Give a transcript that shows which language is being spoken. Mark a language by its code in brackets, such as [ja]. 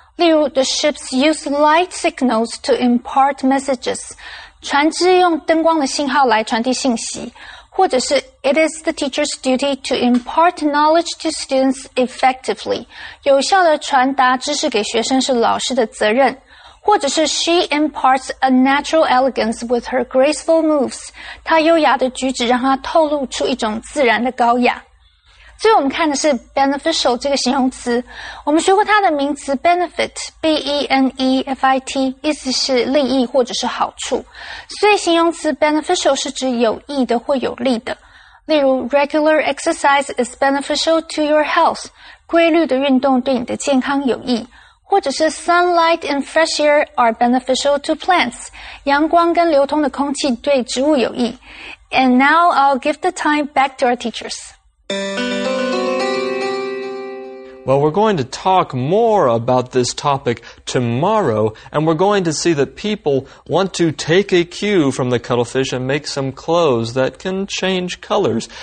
[zh] 例如 [en] the ships use light signals to impart messages. [zh] 船只用灯光的信号来传递信息。或者是 [en] it is the teacher's duty to impart knowledge to students effectively. [zh] 有效的传达知识给学生是老师的责任。或者是 [en] she imparts a natural elegance with her graceful moves. [zh] 她优雅的举止让她透露出一种自然的高雅。最后我们看的是 beneficial 这个形容词。我们学过它的名词 benefit, B-E-N-E-F-I-T, 意思是利益或者是好处。所以形容词 beneficial 是指有益的或有利的。例如 [en] regular exercise is beneficial to your health. [zh] 规律的运动对你的健康有益。或者是 [en] sunlight and fresh air are beneficial to plants. [zh] 阳光跟流通的空气对植物有益。 [en] And now I'll give the time back to our teachers. Well, we're going to talk more about this topic tomorrow, and we're going to see that people want to take a cue from the cuttlefish and make some clothes that can change colors.